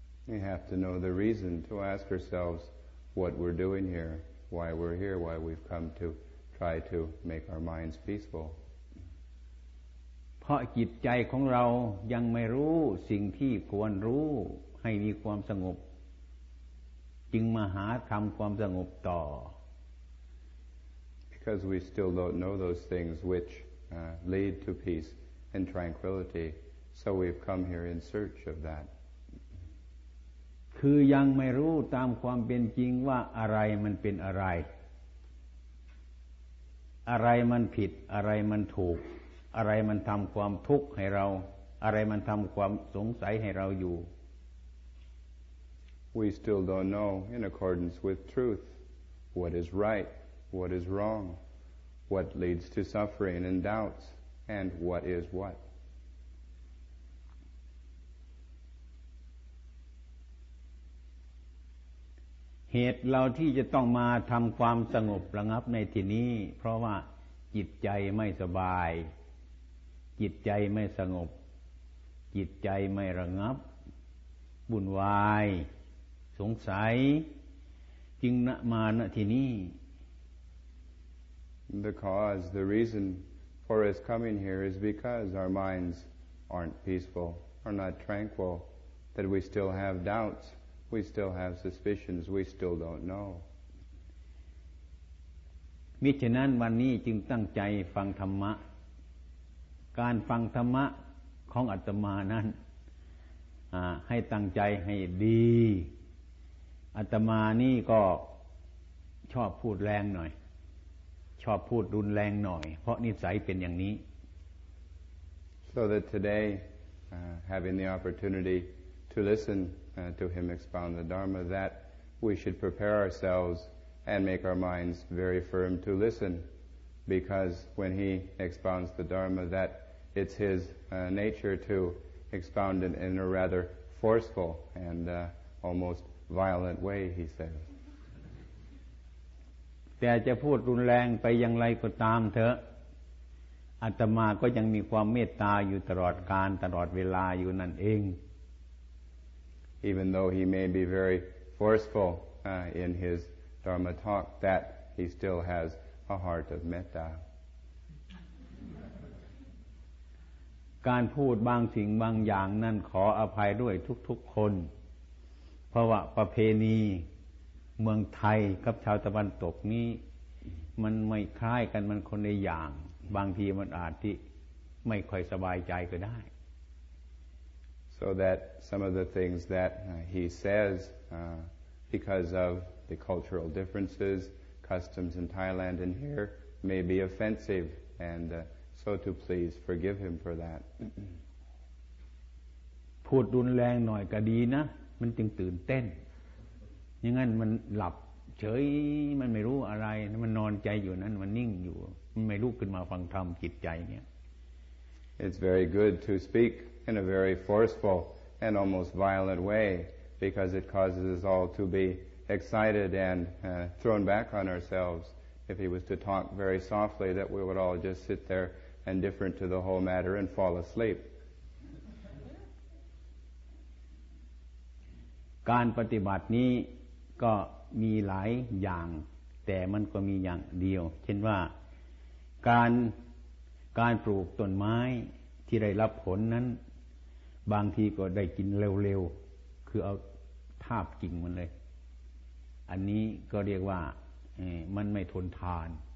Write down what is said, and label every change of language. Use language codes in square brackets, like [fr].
[en] We have to know the reason to ask ourselves what we're doing here, why we've come to try to make our minds peaceful. [th] เพราะจิตใจของเรายังไม่รู้สิ่งที่ควรรู้ให้มีความสงบจึงมาหาทำความสงบต่อ [en] because we still don't know those things which lead to peace and tranquility, so we've come here in search of that. [th] คือยังไม่รู้ตามความเป็นจริงว่าอะไรมันเป็นอะไรอะไรมันผิดอะไรมันถูกอะไรมันทำความทุกข์ให้เราอะไรมันทำความสงสัยให้เราอยู่ [en] We still don't know in accordance with truth what is right what is wrong what leads to suffering and doubts and what is what [th] เหตุเราที่จะต้องมาทำความสงบระงับในที่นี้เพราะว่าจิตใจไม่สบายจิตใจไม่สงบจิตใจไม่ระงับวุ่นวายสงสัยจึงมาณที่นี้ [en] The cause, the reason for us coming here is because our minds aren't peaceful, are not tranquil, that we still have doubts, we still have suspicions, we still don't know. [th] มิฉะนั้นวันนี้จึงตั้งใจฟังธรรมะการฟังธรรมะของอาตมานั้นให้ตั้งใจให้ดีอาตมานี่ก็ชอบพูดแรงหน่อยชอบพูดรุนแรงหน่อยเพราะนิสัยเป็นอย่างนี้ [en] So that today having the opportunity to listen to him expound the Dharma that we should prepare ourselves and make our minds very firm to listen because when he expounds the Dharma thatIt's his nature to expound it in a rather forceful and almost violent way, he says. [th] แต่จะพูดรุนแรงไปอย่างไรก็ตามเถอะอาตมาก็ยังมีความเมตตาอยู่ตลอดการตลอดเวลาอยู่นั่นเอง [en] Even though he may be very forceful in his Dharma talk, that he still has a heart of metta. [th] การพูดบางสิ่งบางอย่างนั่นขออภัยด้วยทุกๆคนเพราะว่าประเพณีเมืองไทยกับชาวตะวันตกนี้มันไม่คล้ายกันมันคนในอย่างบางทีมันอาจที่ไม่ค่อยสบายใจก็ได้ [en] So that some of the things that he says because of the cultural differences customs in Thailand and here may be offensive andSo to please forgive him for that. [th] พูดรุนแรงหน่อยก็ดีนะมันจึงตื่นเต้นอย่างนั้นมันหลับเฉยมันไม่รู้อะไรมันนอนใจอยู่นั้นมันนิ่งอยู่มันไม่ลุกขึ้นมาฟังธรรมจิตใจเนี่ย [en] It's very good to speak in a very forceful and almost violent way because it causes us all to be excited and thrown back on ourselves. If he was to talk very softly, that we would all just sit there and indifferent to the whole matter and fall asleep. [th] การปฏิบัตินี้ก็มีหลายอย่างแต่มันก็มีอย่างเดียวเช่นว่าการปลูกต้นไม้ที่ได้รับผลนั้นบางทีก็ได้กินเร็วๆคือเอาทาบกิ่งมันเลยอันนี้ก็เรียกว่ามันไม่ทนทาน